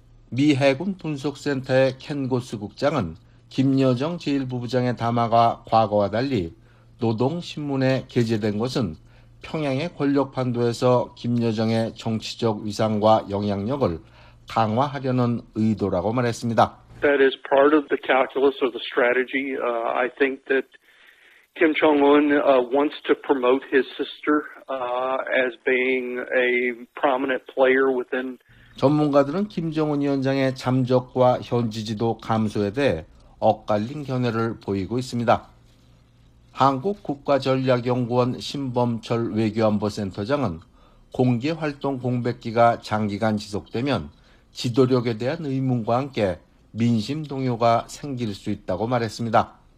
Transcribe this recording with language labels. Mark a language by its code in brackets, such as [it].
[ko] 미 해군 분석센터의 켄 고스 국장은 김여정 제1부부장의 담화가 과거와 달리 노동신문에 게재된 것은 평양의 권력 판도에서 김여정의 정치적 위상과 영향력을 강화하려는 의도라고 말했습니다. [en] That is part of the calculus or the strategy. I think that Kim Jong-un wants to promote his sister as being a prominent player within. [ko] 전문가들은 김정은 위원장의 잠적과 현지 지도 감소에 대해 엇갈린 견해를 보이고 있습니다. 한국 국가전략연구원 신범철 외교안보센터장은 공개 활동 공백기가 장기간 지속되면 지도력에 대한 의문과 함께 민심 동요가 생길 수 있다고 말했습니다.